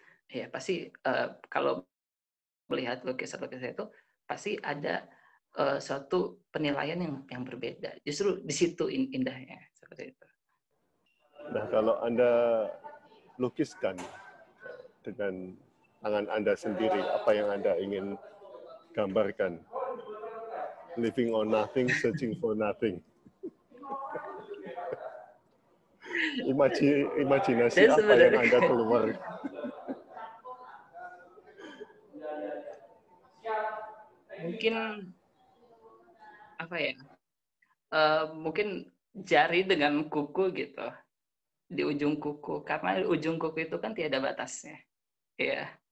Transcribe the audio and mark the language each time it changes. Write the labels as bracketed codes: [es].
[id] Ya pasti kalau melihat lukisan-lukisan itu pasti ada suatu penilaian yang berbeda. Justru di situ indahnya seperti itu. Nah kalau Anda lukiskan dengan tangan Anda sendiri, apa yang Anda ingin gambarkan? [en] Living on nothing, searching for nothing. [id] Imajinasi apa yang Anda keluar? Mungkin apa ya, mungkin jari dengan kuku gitu, di ujung kuku, karena ujung kuku itu kan tidak ada batasnya ya.